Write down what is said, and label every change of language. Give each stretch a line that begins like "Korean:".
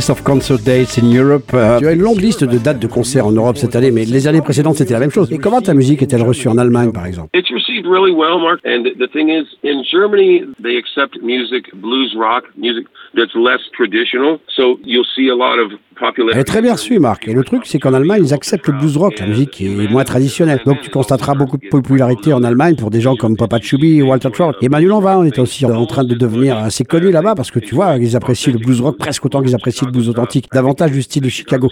French: Tu as une longue liste de dates de concerts en Europe cette année, mais les années précédentes, c'était la même chose. Et comment ta musique est-elle reçue en Allemagne, par exemple?
English: Really well, Mark. And the thing is, in Germany, they accept music, blues rock music that's less traditional. So you'll see a lot of popular.
French: Et très bien reçu, Mark. Et le truc, c'est qu'en Allemagne, ils acceptent le blues rock, la musique qui est moins traditionnelle. Donc tu constateras beaucoup de popularité en Allemagne pour des gens comme Papa Chubby et Walter Trout. Emmanuel Lanvin, on est aussi en train de devenir assez connu là-bas parce que tu vois, ils apprécient le blues rock presque autant qu'ils apprécient le blues authentique, davantage du style de Chicago.